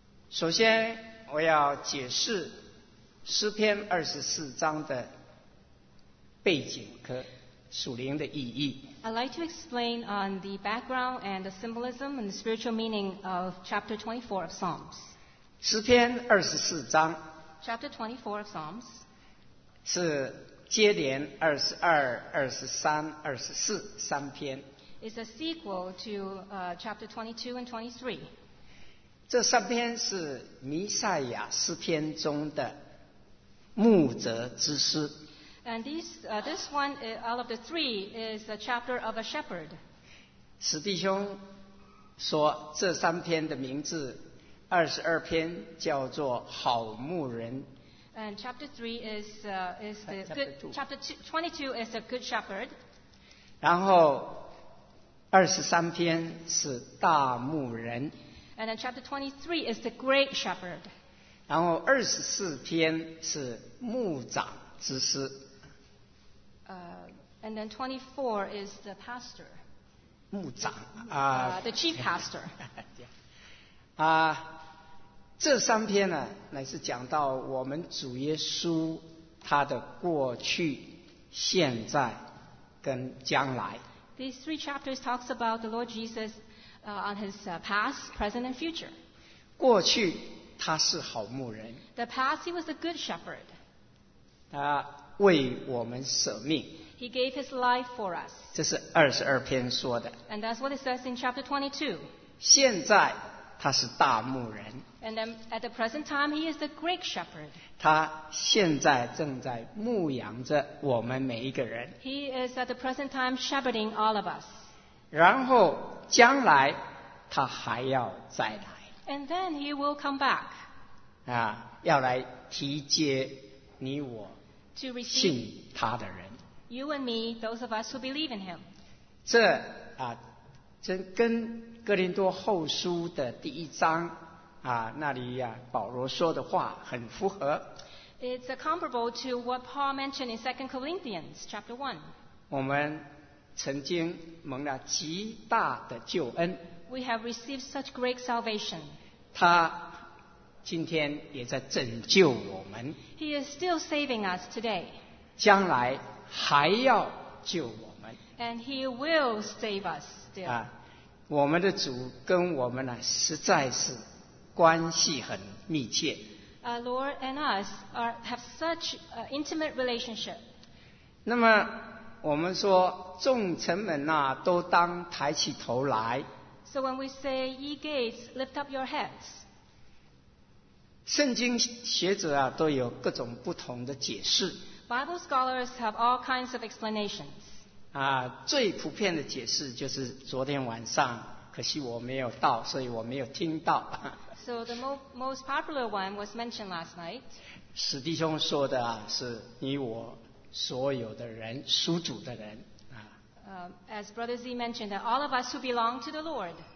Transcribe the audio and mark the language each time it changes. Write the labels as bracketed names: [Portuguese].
[Chinese] 首先我要解释诗篇二十四章的背景和属灵的意义 [English] I'd like to explain on the background and the symbolism and the spiritual meaning of chapter 24 of Psalms. [Chinese] 诗篇二十四章 [English] Chapter 24 of Psalms [Chinese] 是接连二十二、二十三、二十四三篇 [English] It's a sequel to chapter 22 and 23. [Chinese] 这三篇是弥赛亚诗篇中的牧者之诗 [English] And this one, out of the three, is a chapter of a shepherd. [Chinese] 史弟兄说这三篇的名字二十二篇叫做好牧人 [English] And chapter three is the good, chapter 22 is a good shepherd. [Chinese] 然后二十三篇是大牧人 [English] And then chapter 23 is the great shepherd. [Chinese] 然后二十四篇是牧长之诗 [English] And then 24 is the pastor. [Chinese] 牧长啊。 [English] The chief pastor. [Chinese] 啊，这三篇呢，乃是讲到我们主耶稣他的过去、现在跟将来。 [English] These three chapters talks about the Lord Jesus, on his past, present, and future. [Chinese] 过去他是好牧人。 [English] The past he was a good shepherd. [Chinese] 他为我们舍命。 [English] He gave his life for us. [Chinese] 这是二十二篇说的。 [English] And that's what it says in chapter 22. [Chinese] 现在他是大牧人。 [English] And then at the present time, he is the great shepherd. [Chinese] 他现在正在牧养着我们每一个人。 [English] He is at the present time shepherding all of us. [Chinese] 然后将来他还要再来。 [English] And then he will come back. [Chinese] 啊，要来提接你我信他的人。 [English] You and me, those of us who believe in him. [Chinese] 这啊，这跟哥林多后书的第一章啊，那里呀、啊，保罗说的话很符合。 [English] It's comparable to what Paul mentioned in 2 Corinthians chapter 1. [Chinese] 我们曾经蒙了极大的救恩。 [English] We have received such great salvation. [Chinese] 他今天也在拯救我们。 [English] He is still saving us today. [Chinese] 将来还要救我们。 [English] And he will save us still. [Chinese] 啊，我们的主跟我们呢，实在是关系很密切。 [English] Our Lord and us are, have such intimate relationship. [Chinese] 那么我们说众城门啊，都当抬起头来。 [English] So when we say, ye gates, lift up your heads. [Chinese] 圣经学者啊，都有各种不同的解释。 [English] Bible scholars have all kinds of explanations. [Chinese] 啊，最普遍的解释就是昨天晚上，可惜我没有到，所以我没有听到。 [English] So the most popular one was mentioned last night. [Chinese] 史弟兄说的啊，是你我所有的人，属主的人。 [English] As Brother Z mentioned, that all of us who belong to the Lord.